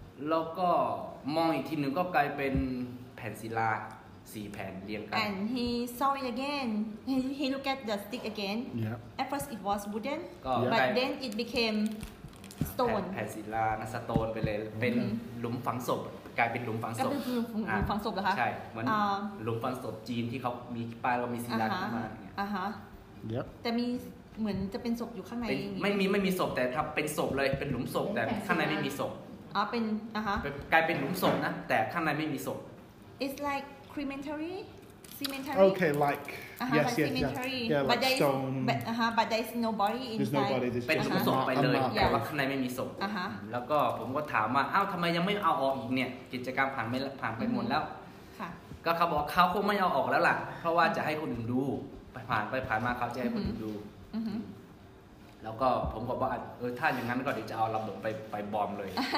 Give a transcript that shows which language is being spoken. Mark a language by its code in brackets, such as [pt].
[th] แล้วก็มองอีกทีหนึ่งก็กลายเป็นแผ่นศิลาสี่แผ่นเรียงกั น [en] And he saw it again. He look at the stick again. Yeah. At first it was wooden, but then it became stone. [th] แผ่นศิลาสโตนไปเลยเป็นหลุมฝังศพ กลายเป็นหลุมฝังศพ ก็คือหลุมฝังศพเหรอคะ ใช่เหมือนหลุมฝังศพจีนที่เขามีป้ายว่ามีศิลาขึ้นมาอย่างเงี้ย แต่มีเหมือนจะเป็นศพอยู่ข้างใน ไม่มีไม่มีศพแต่ถ้าเป็นศพเลยเป็นหลุมศพแต่ข้างในไม่มีศพ อ๋อเป็นอ่ะฮะ กลายเป็นหลุมศพนะแต่ข้างในไม่มีศพ [en] It's like crematory cemetery Okay like yes yes yeah like stone อ่ะฮะ but there's no body inside [th] เป็นหลุมศพไปเลยแต่ว่าข้างในไม่มีศพแล้วก็ผมก็ถามว่าอ้าวทำไมยังไม่เอาออกอีกเนี่ยกิจกรรมผ่านไปหมดแล้ว ค่ะ ก็เขาบอกเขาคงไม่เอาออกแล้วล่ะเพราะว่าจะให้คนอื่นดูผ่านไปผ่านมาเขาจะให้คนดูแล้วก็ผมก็บอกถ้าอย่างนั้นก็เดี๋ยวจะเอาลำหลงไปบอมเลย